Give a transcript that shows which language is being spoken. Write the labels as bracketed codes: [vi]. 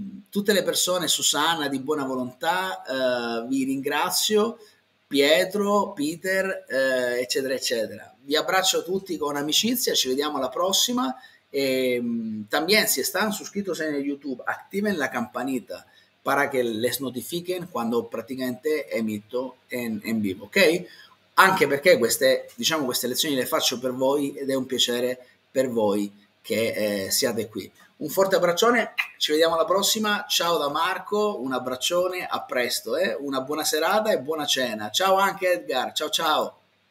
[it] Tutte le persone, Susanna di buona volontà, vi ringrazio, Pietro, Peter, eccetera, eccetera. Vi abbraccio tutti con amicizia, ci vediamo alla prossima. [es] También, si están suscritos en YouTube, activen la campanita para que les notifiquen cuando praticamente emito en vivo, ok? [it] Anche perché queste, diciamo, queste lezioni le faccio per voi ed è un piacere per voi che siate qui. Un forte abbraccione, ci vediamo alla prossima. Ciao da Marco, un abbraccione, a presto, eh? Una buona serata e buona cena. Ciao anche Edgar, ciao ciao.